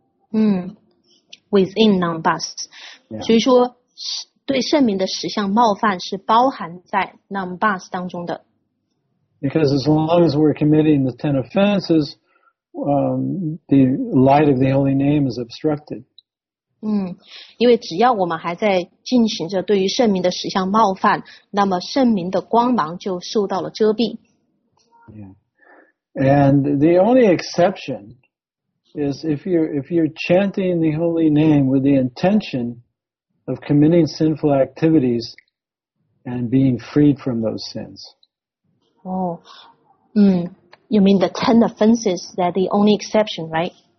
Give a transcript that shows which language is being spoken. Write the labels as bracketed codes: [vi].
[en] Within Nambas. Yeah. [zh] 所以说对圣名的十项冒犯是包含在 Nambas 当中的。 [en] Because as long as we're committing the 10 offenses, the light of the holy name is obstructed. [zh] 因为只要我们还在进行着对于圣名的十项冒犯，那么圣名的光芒就受到了遮蔽。 [en] And the only exception is if you're chanting the holy name with the intention of committing sinful activities and being freed from those sins. You mean the 10 offenses, that the only exception, right?